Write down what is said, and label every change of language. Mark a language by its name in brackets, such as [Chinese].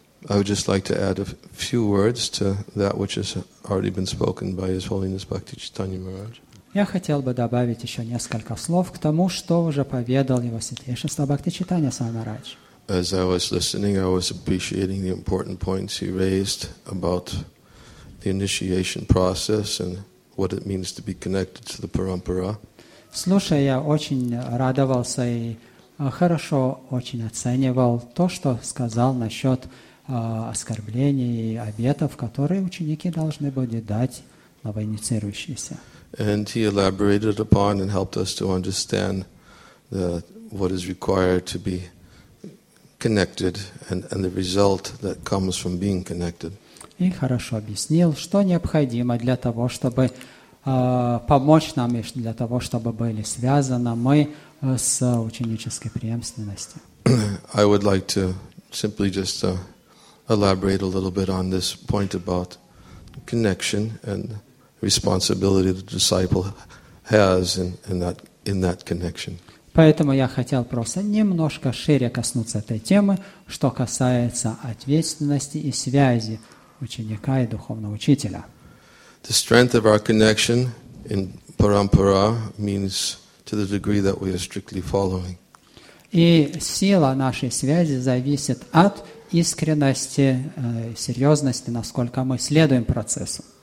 [English] I would just like to add a few words to that which has already been spoken by His Holiness Bhakti Chaitanya Maharaj. [Russian] Я хотел бы добавить еще несколько слов к тому, что уже поведал Его Святейшество Бхакти Чайтанья Свами Махарадж. [English] As I was listening, I was appreciating the important points he raised about the initiation process and what it means to be connected to the parampara. [Russian] Слушая, я очень радовался и хорошо очень оценивал то, что сказал насчет оскорблений и обетов, которые ученики должны были дать новоинициирующиеся. [English] And he elaborated upon and helped us to understand what is required to be connected and the result that comes from being connected. [Russian] И хорошо объяснил, что необходимо для того, чтобы помочь нам, для того, чтобы были связаны мы с ученической преемственностью. [English] I would like to simply just elaborate a little bit on this point about connection and responsibility the disciple has in that connection. [Russian] Поэтому я хотел просто немножко шире коснуться этой темы, что касается ответственности и связи ученика и духовного учителя. [English] The strength of our connection in parampara means to the degree that we are strictly following. [Russian] И сила нашей связи зависит от искренности, серьезности, насколько мы следуем процессу.